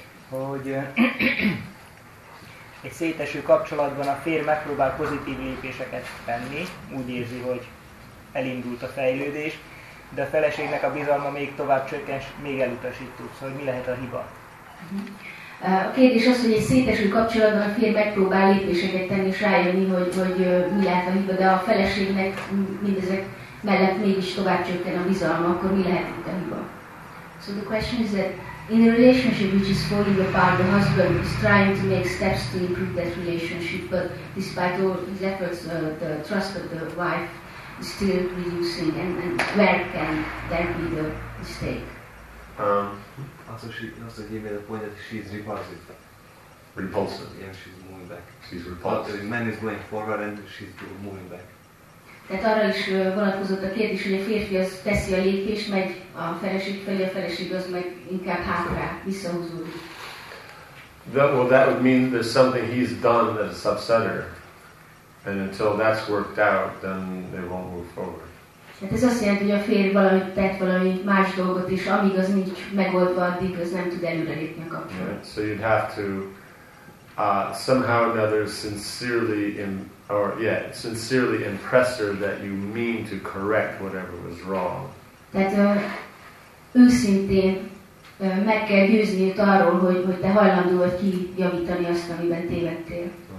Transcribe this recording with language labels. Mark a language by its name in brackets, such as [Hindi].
[Hungarian] Hogy egy széteső kapcsolatban a férj megpróbál pozitív lépéseket tenni, úgy érzi, hogy elindult a fejlődés, de a feleségnek a bizalma még tovább csökken, még elutasítóbb. Szóval, hogy mi lehet a hiba? A kérdés az, hogy egy széteső kapcsolatban a férj megpróbál lépéseket tenni és rájönni, hogy mi lehet a hiba, de a feleségnek mindezek mellett mégis tovább csökken a bizalma, akkor mi lehet itt a hiba? [English] So the question is that in a relationship which is falling apart, the husband is trying to make steps to improve that relationship, but despite all his efforts, the trust of the wife is still reducing, and where can that be the mistake? Also, he made a point that she's repulsive. Repulsive. Yeah, she's moving back. She's repulsive. The man is going forward and she's moving back. [Hungarian] Tehát arra is vonatkozott a kérdés, hogy a férfi az teszi a lépést, megy a feleség felé, a feleség az meg inkább hátra, visszahúzódik. [English] That would mean there's something he's done that is upsetter. And until that's worked out, then they won't move forward. [Hungarian] Hát ez azt jelenti, hogy a férj valamit tett, valami más dolgot is, amíg az nincs megoldva, addig az nem tud előre lépni a kapcsolatban. [English] Right. So you'd have to somehow or another sincerely sincerely impress her that you mean to correct whatever was wrong. [Hungarian] Tehát őszintén meg kell győzni őt arról, hogy te hajlandó vagy kijavítani azt, amiben tévedtél.